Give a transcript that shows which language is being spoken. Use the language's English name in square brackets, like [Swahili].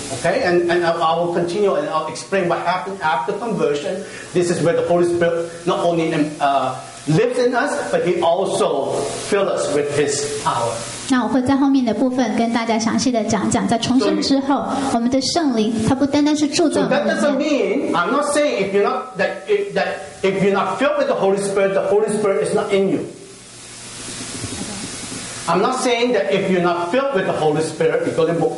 [English] Okay, and I will continue and I'll explain what happened after conversion. This is where the Holy Spirit not only lives in us, but He also fills us with His power. [Chinese] 那我会在后面的部分跟大家详细的讲讲，在重生之后， [English] so, [Chinese] 我们的圣灵它不单单是住在我们里面。 [English] So that doesn't mean I'm not saying if you're not that if you're not filled with the Holy Spirit, the Holy Spirit is not in you. I'm not saying that if you're not filled with the Holy Spirit, because